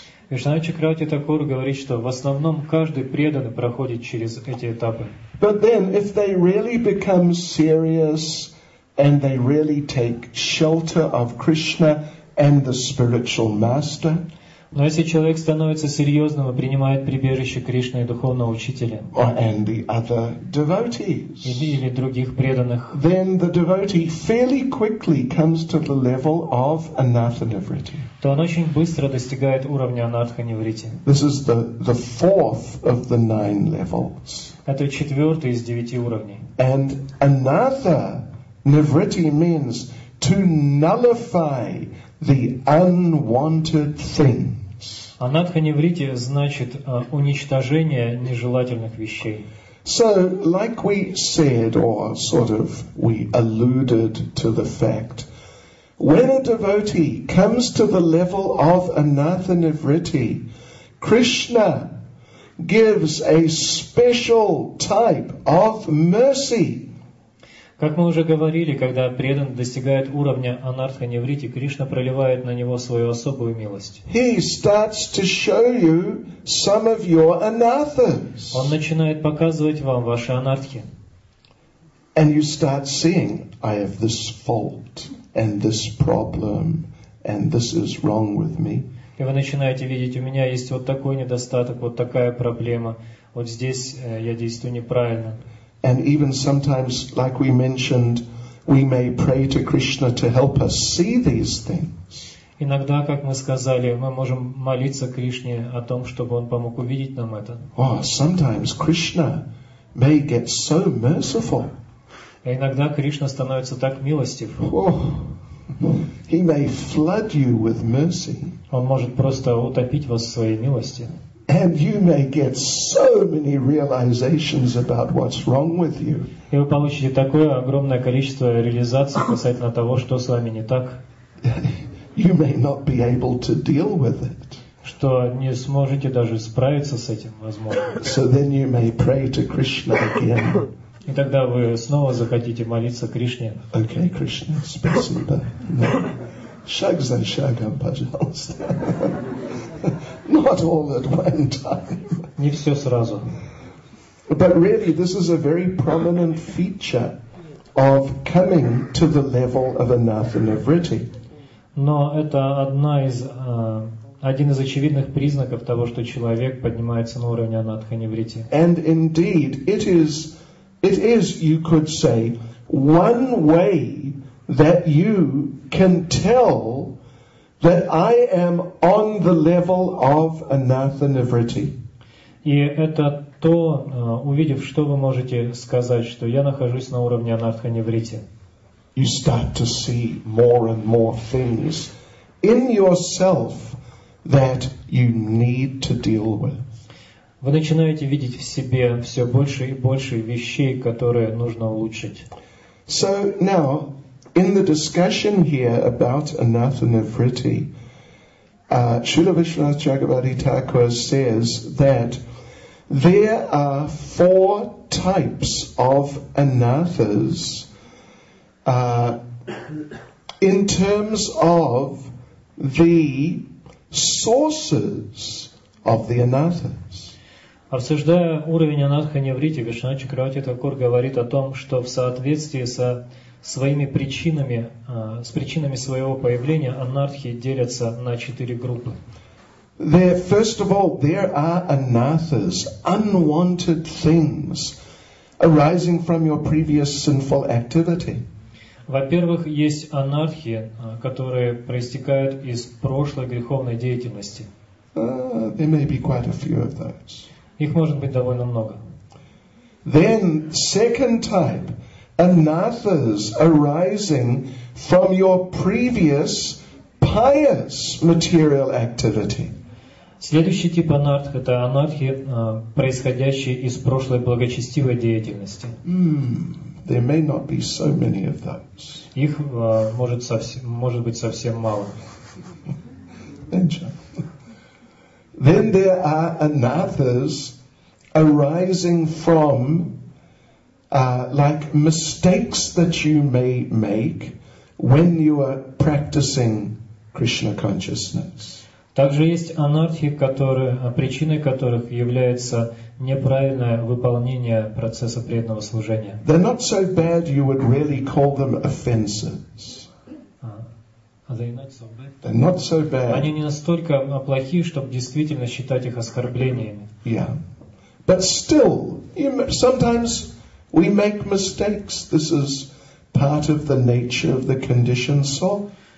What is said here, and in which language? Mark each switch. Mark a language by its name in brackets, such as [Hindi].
[Russian] Вишнанат Чакравати Такур говорит, что в основном каждый преданный проходит через эти этапы. [English] But then, if they really become serious and they really take shelter of Krishna and the spiritual master. [Russian] Но если человек становится серьезным и принимает прибежище Кришны и духовного учителя, [English] and the other devotees, [Russian] или других преданных, [English] then the devotee fairly quickly comes to the level of anatha nivritti. [Russian] То он очень быстро достигает уровня анатха нивритти. [English] This is the fourth of the nine levels. [Russian] Это четвертый из девяти уровней. [English] And anatha nivritti means to nullify the unwanted things. [Russian] Анатха неврити значит уничтожение нежелательных вещей. [English] So, like we said, or sort of we alluded to the fact, when a devotee comes to the level of anatha nivritti, Krishna gives a special type of mercy. [Russian] Как мы уже говорили, когда преданный достигает уровня анартха неврити, Кришна проливает на него свою особую милость. [English] He starts to show you some of your anarthas. [Russian] Он начинает показывать вам ваши анартхи. [English] And you start seeing, I have this fault and this problem and this is wrong with me. [Russian] И вы начинаете видеть, у меня есть вот такой недостаток, вот такая проблема, вот здесь я действую неправильно. [English] And even sometimes, like we mentioned, we may pray to Krishna to help us see these things. [Russian] Иногда, как мы сказали, мы можем молиться Кришне о том, чтобы он помог увидеть нам это. [English] Oh, sometimes Krishna may get so merciful. [Russian] И иногда Кришна становится так милостив. [English] Oh, he may flood you with mercy. [Russian] Он может просто утопить вас в своей милости. [English] And you may get so many realizations about what's wrong with you. [Russian] И вы получите такое огромное количество реализаций касательно того, что с вами не так. [English] You may not be able to deal with it. [Russian] Что не сможете даже справиться с этим, возможно. [English] So then you may pray to Krishna again. [Russian] И тогда вы снова захотите молиться Кришне. Okay, Krishna, спасибо. Шаг за шагом, пожалуйста. [English] Not all at one time. [Russian] Не все сразу. [English] But really, this is a very prominent feature of coming to the level of anatha nivritti. [Russian] Но это одна из один из очевидных признаков того, что человек поднимается на уровень анатха нивритти. [English] And indeed, it is, you could say, one way that you can tell that I am on the level of anatha nivritti. [Russian] И это то, увидев, что вы можете сказать, что я нахожусь на уровне анатха нивритти. [English] You start to see more and more things in yourself that you need to deal with. [Russian] Вы начинаете видеть в себе все больше и больше вещей, которые нужно улучшить. [English] So now, in the discussion here about anatta nivritti, Śrīla Viśvanātha Caggabhati Thakura says that there are four types of anathas in terms of the sources of the anathas. [Russian] Обсуждая уровень анатха неврити, Вишна Чакравати Такур говорит о том, что в соответствии со своими причинами, с причинами своего появления, анатхи делятся на четыре группы. [English] There, first of all, there are anathas, unwanted things, arising from your previous sinful activity. [Russian] Во-первых, есть анатхи, которые проистекают из прошлой греховной деятельности. [English] There may be quite a few of those. [Russian] Их может быть довольно много. [English] Then, second type, anathas arising from your previous pious material activity. [Russian] Следующий тип анатх — это анатхи, происходящие из прошлой благочестивой деятельности. [English] There may not be so many of those. [Russian] Их может быть совсем мало. [English] Then there are anathas arising from like mistakes that you may make when you are practicing Krishna consciousness. [Russian] Также есть анатхи, причиной которых является неправильное выполнение процесса преданного служения. [English] They're not so bad you would really call them offenses. They're not so bad. [Russian] Они не настолько плохи, чтобы действительно считать их оскорблениями. [English] Yeah. But still, sometimes we make mistakes. This is part of the nature of the conditioned soul.